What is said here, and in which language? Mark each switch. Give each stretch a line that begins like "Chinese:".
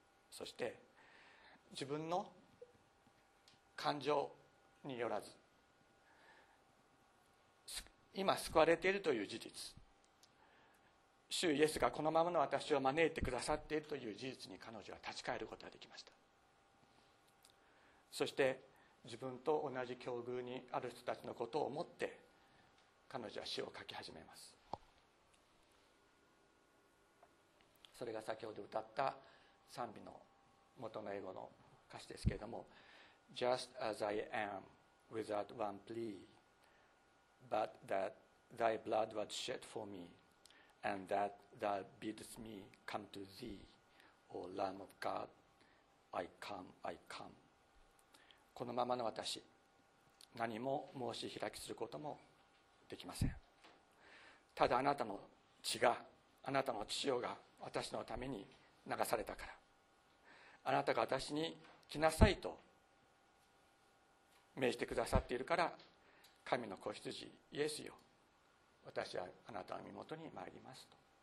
Japanese: そして自分の感情によらず、今救われているという事実、主イエスがこのままの私を招いてくださっているという事実に彼女は立ち返ることができました。そして自分と同じ境遇にある人たちのことを思って、彼女は詩を書き始めます。それが先ほど歌った賛美の元の英語の歌詞ですけれども、
English: Just as I am without one plea, but that thy blood was shed for me, and that thou biddest me come to thee, O Lamb of God, I come, I come。
Japanese: このままの私、何も申し開きすることもできません。ただあなたの血が、あなたの血潮が私のために流されたから、あなたが私に来なさいと命じてくださっているから、神の子羊イエスよ、私はあなたの身元に参りますと。